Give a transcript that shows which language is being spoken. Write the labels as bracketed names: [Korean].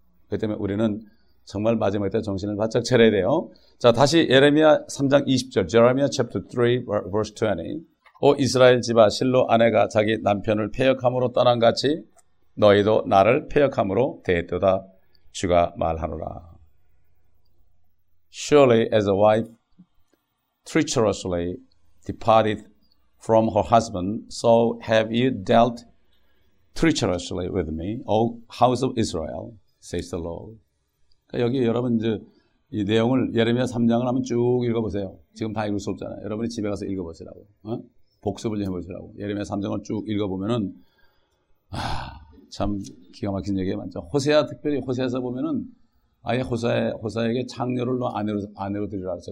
[Korean] 그 때문에 우리는 정말 마지막 때 정신을 바짝 차려야 돼요. 자, 다시 예레미야 3장 20절 [English] Jeremiah chapter 3 verse 20. [Korean] 오 이스라엘 집아, 실로 아내가 자기 남편을 폐역함으로 떠난 같이 너희도 나를 폐역함으로 대했도다. 주가 말하노라. [English] Surely as a wife treacherously departed from her husband, so have you dealt treacherously with me, O house of Israel, says the Lord. [Korean] 그러니까 여기 여러분 이제 이 내용을 예레미야 3장을 한번 쭉 읽어보세요. 지금 다 읽을 수 없잖아요. 여러분이 집에 가서 읽어보시라고. 어? 복습을 좀 해보시라고. 예레미야 3장을 쭉 읽어보면은 참 기가 막힌 얘기가 많죠. 호세아 특별히 호세아서 보면은 아예 호세아에게 창녀를 너 아내로 드리라 했어.